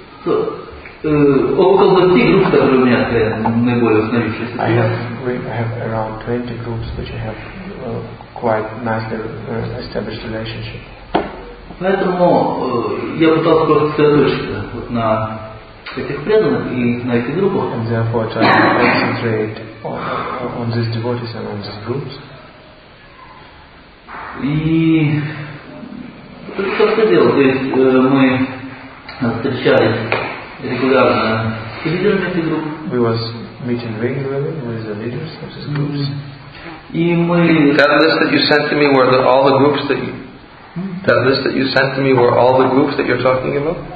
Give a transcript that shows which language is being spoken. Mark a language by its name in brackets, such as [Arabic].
[Russian] Около 20 групп, которые у меня наиболее установившиеся. [English] I have around 20 groups, which I have quite nicely established relationship. [Russian] Поэтому я пытался просто сосредоточиться вот на этих преданных и на этих группах. [English] And therefore, try to concentrate on these devotees and on these groups. [Russian] И это просто дело. То есть мы встречались регулярно с лидерами этих групп. [English] We was meeting regularly with the leaders of these groups. [Russian] И мы. [English] That list that you sent to me were the, all the groups that you. That list that you sent to me were all the groups that you're talking about?